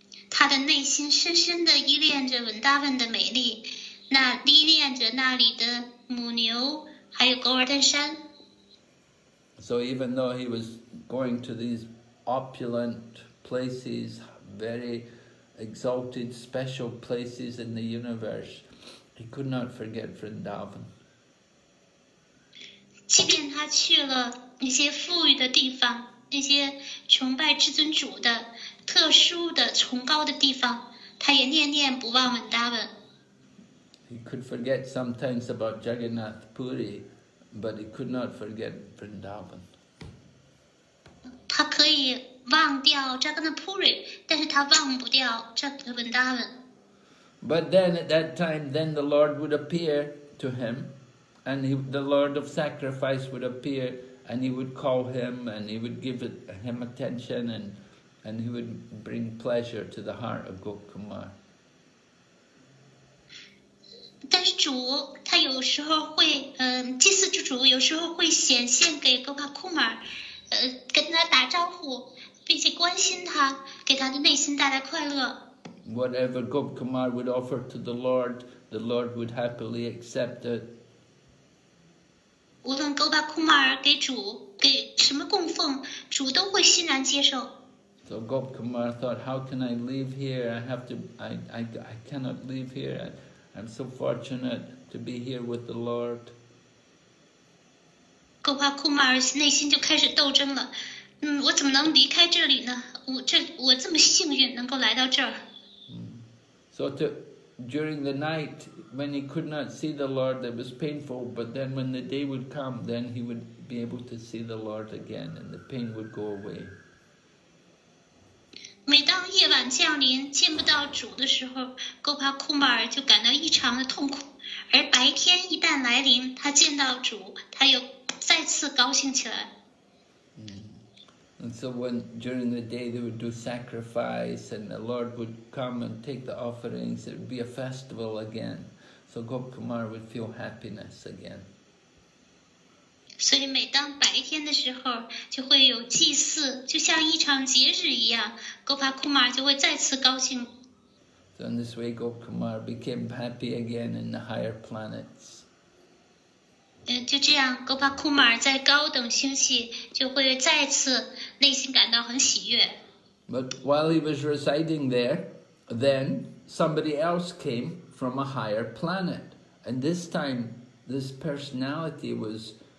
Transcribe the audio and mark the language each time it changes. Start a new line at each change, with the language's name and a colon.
Chinese: 他的内心深深地依恋着文达文的美丽，那依恋着那里的母牛，还有 Govardhan 山。
English: So even though he was going to these opulent places, very exalted, special places in the universe, he could not forget Vrindavan.
Chinese: 即便他去了那些富裕的地方，那些崇拜至尊主的特殊的崇高的地方，他也念念不忘文达文。
English: He could forget sometimes about Jagannath Puri, but he could not forget Vrindavan.
Chinese: 他可以忘掉扎格纳普瑞，但是他忘不掉扎格文达文。
English: But then at that time, then the Lord would appear to him, and the Lord of sacrifice would appear, and he would call him, and he would give him attention and he would bring pleasure to the heart of Gop Kumar.
Chinese: 但是主他有时候会，祭祀之主有时候会显现给 Gop Kumar， 跟他打招呼，并且关心他，给他的内心带来快乐。
English: Whatever Gop Kumar would offer to the Lord would happily accept it.
Chinese: 无论 Gop Kumar 给主给什么供奉，主都会欣然接受。
English: So Gop Kumar thought, how can I leave here? I cannot leave here. I'm so fortunate to be here with the Lord.
Chinese: Gop Kumar 内心就开始斗争了。我怎么能离开这里呢？我这么幸运能够来到这儿。
English: So during the night, when he could not see the Lord, it was painful. But then when the day would come, then he would be able to see the Lord again and the pain would go away.
Chinese: 每当夜晚降临，见不到主的时候，勾帕库马尔就感到异常的痛苦。而白天一旦来临，他见到主，他又再次高兴起来。
English: And so when during the day they would do sacrifice, and the Lord would come and take the offerings, it would be a festival again. So Gop Kumar would feel happiness again.
Chinese: 所以每当白天的时候，就会有祭祀，就像一场节日一样。 Gop Kumar 就会再次高兴。
English: So in this way, Gop Kumar became happy again in the higher planets.
Chinese: 就这样 ，Gop Kumar 在高等星系就会再次内心感到很喜悦。
English: But while he was residing there, then somebody else came from a higher planet, and this time this personality was.